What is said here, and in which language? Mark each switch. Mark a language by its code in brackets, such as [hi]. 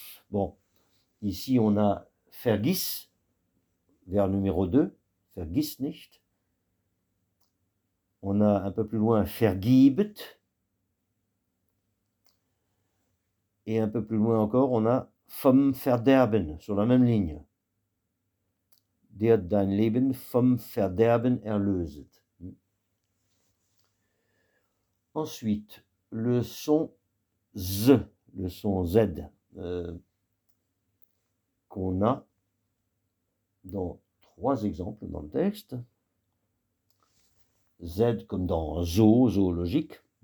[fr] Bon, ici on a Vergiss, vers numéro 2, [de] Vergiss nicht. [fr] On a un peu plus loin Vergibet. Et un peu plus loin encore, on a [de] Vom Verderben, [fr] sur la même ligne. [de] Der dein Leben vom Verderben erlöset. [fr] Ensuite, le son Z, le son Z qu'on a dans trois exemples dans le texte. Z comme dans zoo, zoologique.